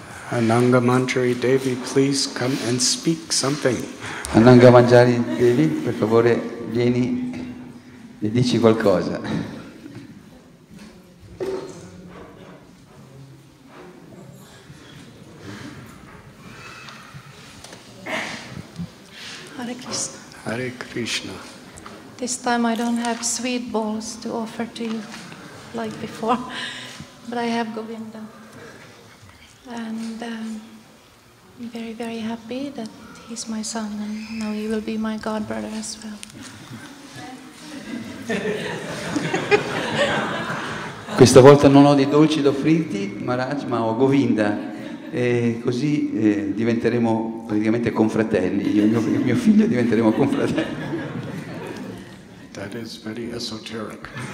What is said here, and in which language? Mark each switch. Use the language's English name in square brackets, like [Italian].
[English] Ananga Manjari Devi, please come and speak something. [Italian] Ananga Manjari Devi, per favore, vieni e dici qualcosa. [Sanskrit] Hare Krishna. Hare Krishna. [English] This time I don't have sweet balls to offer to you like before, but I have Govinda. And I'm very, very happy that he's my son, and now he will be my godbrother as well. [Italian] Questa volta non ho dei dolci da offrirti, Maharaj, ma ho Govinda, e così diventeremo praticamente confratelli. Io e mio figlio diventeremo confratelli. [English] That is very esoteric.